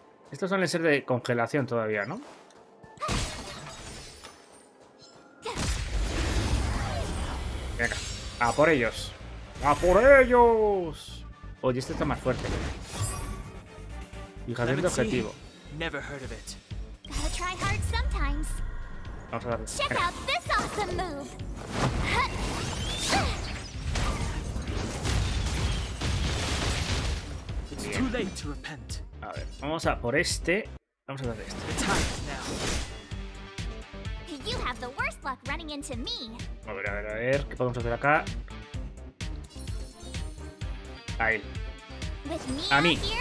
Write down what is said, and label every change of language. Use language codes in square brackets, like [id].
[es] Estos suelen ser de congelación todavía, ¿no? Venga. A por ellos. ¡A por ellos! Oye, este está más fuerte. Fíjate en el objetivo. [en] Never heard of it. Gotta try hard sometimes. [es] Vamos a darle. [en] Check out this awesome move. [es] Bien. A ver, vamos a por este. Vamos a darle este. [en] You have the worst luck running into me. [es] A ver, a ver, a ver, ¿qué podemos hacer acá? A él. A mí.